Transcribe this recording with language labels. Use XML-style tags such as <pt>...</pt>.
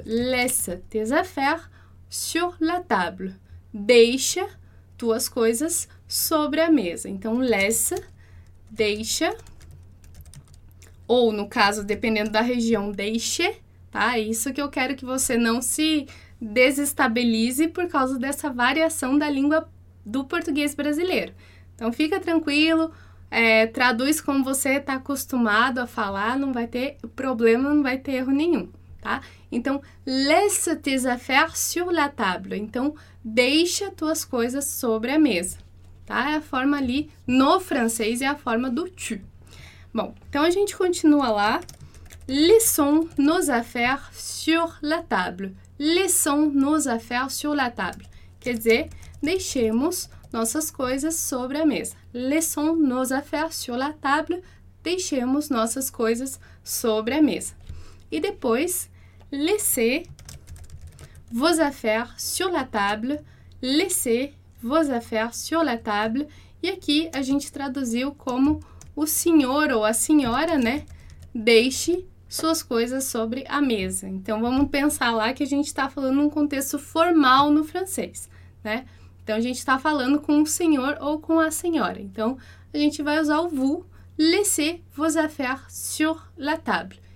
<fr>Laisse tes affaires sur la table.</fr> <pt>Deixa tuas coisas sobre a mesa. Então, laisse, deixa. Ou, no caso, dependendo da região, deixe, tá? Isso que eu quero que você não se desestabilize por causa dessa variação da língua do português brasileiro. Então, fica tranquilo. Traduz como você está acostumado a falar, não vai ter problema, não vai ter erro nenhum, tá?</pt> <fr>Então, laisse tes affaires sur la table.</fr> <pt>Então, deixa tuas coisas sobre a mesa, tá? É a forma ali no francês, é a forma do tu. Bom, então a gente continua lá.</pt> <fr>Laissons nos affaires sur la table. Laissons nos affaires sur la table.</fr> <pt>Quer dizer, deixemos nossas coisas sobre a mesa.</pt> <fr>Laissons nos affaires sur la table.</fr> <pt>Deixemos nossas coisas sobre a mesa. E depois,</pt> <fr>laissez vos affaires sur la table. Laissez vos affaires sur la table.</fr> <pt>E aqui a gente traduziu como o senhor ou a senhora, né? Deixe suas coisas sobre a mesa. Então vamos pensar lá que a gente está falando num contexto formal no francês, né? Então, a gente está falando com o senhor ou com a senhora. Então, a gente vai usar o vous,</pt> <fr>laissez vos affaires sur la table.</fr>